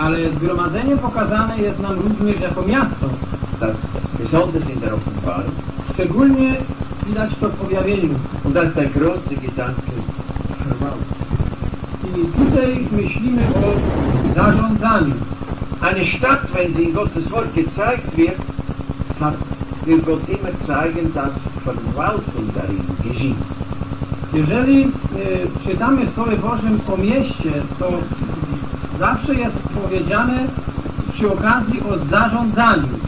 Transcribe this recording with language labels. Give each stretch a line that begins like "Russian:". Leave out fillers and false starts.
Polish: Ale zgromadzenie pokazane jest nam również jako miasto.
German: Das besonders in der Offenbarung.
Polish: Szczególnie widać to w objawieniu.
German: Und das der große Gedanke.
Polish: I tutaj myślimy o zarządzaniu.
German: Eine Stadt, wenn sie in Gottes Wort gezeigt wird, hat, will Gott immer zeigen, dass Verwaltung darin geschieht.
Polish: Jeżeli czytamy w Słowie Bożym o mieście, to zawsze jest powiedziane przy okazji o zarządzaniu.